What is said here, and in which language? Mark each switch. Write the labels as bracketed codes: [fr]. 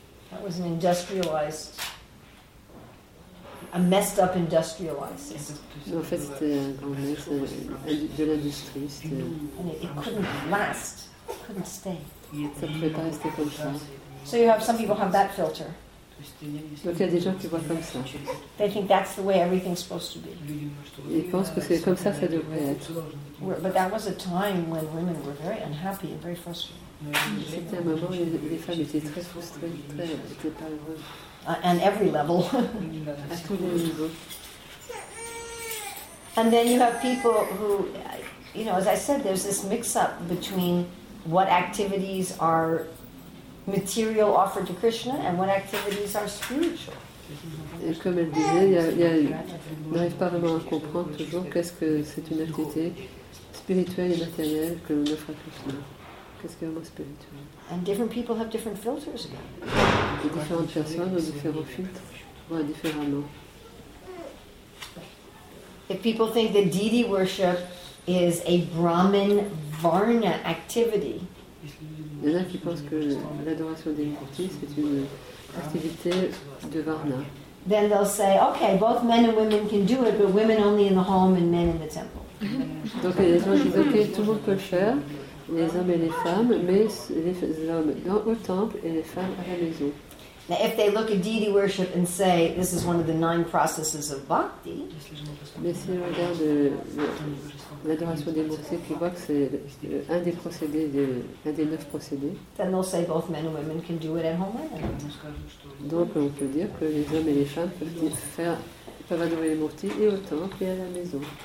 [en] That was an industrialized, a messed up industrialized system. [fr] En fait, c'était un grand mess de l'industrie. [en] And it couldn't last. It couldn't stay. [fr] Ça pouvait pas rester comme ça. [en] So you have some people have that filter. [fr] Donc il y a des gens qui voient comme ça. [en] They think that's the way everything's supposed to be. [fr] Ils pensent que c'est comme ça, ça devrait être. [en] But that was a time when women were very unhappy and very frustrated. [fr] C'était un moment où les femmes étaient très frustrées, très, étaient pas heureuses. [en] And every level. [fr] À tous les niveaux. [en] And then you have people who, you know, as I said, there's this mix-up between what activities are material offered to Krishna and what activities are spiritual. [fr] Et comme elle disait, n'arrive pas vraiment à comprendre toujours qu'est-ce que c'est une activité spirituelle et matérielle que l'on offre à Krishna. Qu'est-ce qu'il y a vraiment spirituel? [en] And different people have different filters. [fr] Et différentes personnes ont différents filtres, voient différemment. [en] If people think that deity worship is a Brahmin varna activity. [fr] Il y en a qui pensent que l'adoration des murtis, c'est une activité de Varna. [en] then they'll say, okay, both men and women can do it, but women only in the home and men in the temple. [fr] Donc les gens disent, okay, tout le monde peut le faire, les hommes et les femmes, mais les hommes dans le temple et les femmes à la maison. [en] Now, if they look at deity worship and say, this is one of the nine processes of bhakti, [fr] mais si ils regardent l'adoration des mots, c'est qu'ils voient que c'est un des procédés, un des neuf procédés, [en] then they'll say both men and women can do it at home. [fr] Donc on peut dire que les hommes et les femmes peuvent faire. Ça va donner les mortiers et au temple et à la maison.